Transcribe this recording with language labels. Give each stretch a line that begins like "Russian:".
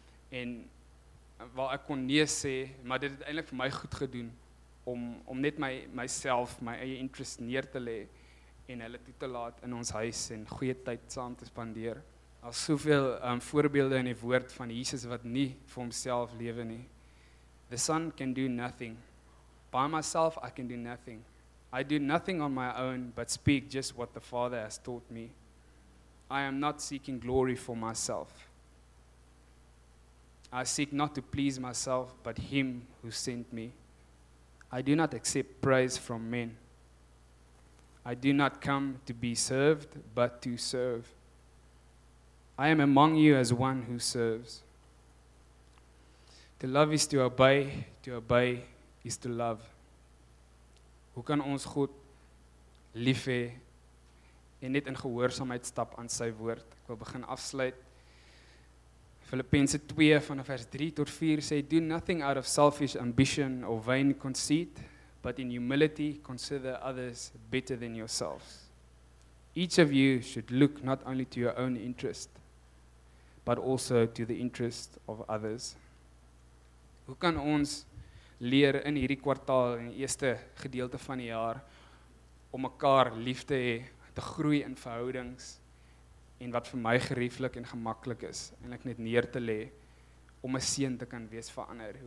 Afrikaans: En waar ek kon nee sê, maar dit het eintlik vir my goed gedoen, om net myself, my eie interest neer te lê en hulle toe te laat in ons huis, en goeie tyd saam te spandeer. Al soveel voorbeelde in die woord van Jesus, wat nie vir homself lewe nie.
English: The Son can do nothing. By myself, I can do nothing. I do nothing on my own, but speak just what the Father has taught me. I am not seeking glory for myself. I seek not to please myself, but him who sent me. I do not accept praise from men. I do not come to be served, but to serve. I am among you as one who serves. To love is to obey is to love.
Afrikaans: Hoe kan ons God lief hê en net in gehoorsaamheid stap aan sy woord? Ek wil begin afsluit. Filippense 2 vanaf vers 3 tot 4 sê,
English: do nothing out of selfish ambition or vain conceit, but in humility consider others better than yourselves. Each of you should look not only to your own interest, but also to the interest of others.
Afrikaans: Hoe kan ons leer in hierdie kwartaal, in die eerste gedeelte van die jaar, om mekaar lief te hê, te groei in verhoudings, en wat vir my gerieflik en gemaklik is, en ek net neer te lê, om 'n seën te kan wees vir ander?